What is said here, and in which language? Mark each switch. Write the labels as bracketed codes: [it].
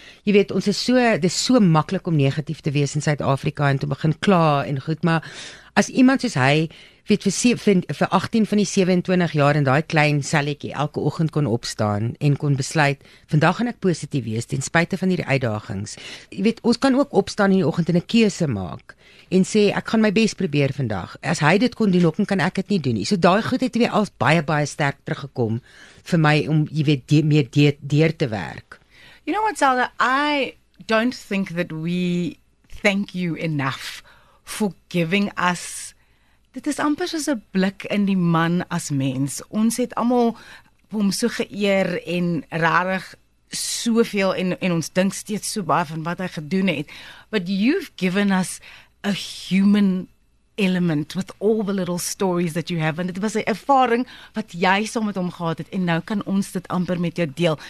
[af] Jy weet, ons is so, dit is so makkelijk om negatief te wees in Suid-Afrika en te begin kla en goed, maar as iemand soos hy, weet, vir 18 van die 27 jaar in daai klein selletjie elke oggend kon opstaan en kon besluit, vandag gaan ek positief wees, ten spyte van die uitdagings. Jy weet, ons kan ook opstaan in die oggend en 'n keuse maak en sê, ek gaan my best probeer vandag. As hy dit kon doen, ook kan ek dit nie doen nie. So daai goed het weer als baie, baie sterk teruggekom vir my om, jy weet, meer deur te werk. [en] You know what, Zelda, I don't think that we thank you enough for giving us. [af] Dit is amper soos 'n blik in die man as mens. Ons het almal hom so geëer en rarig soveel en ons dink steeds so baie van wat hy gedoen het. [en] But you've given us a human element with all the little stories that you have. [af] En dit was 'n ervaring wat jy saam met hom gehad het en nou kan ons dit amper met jou deel.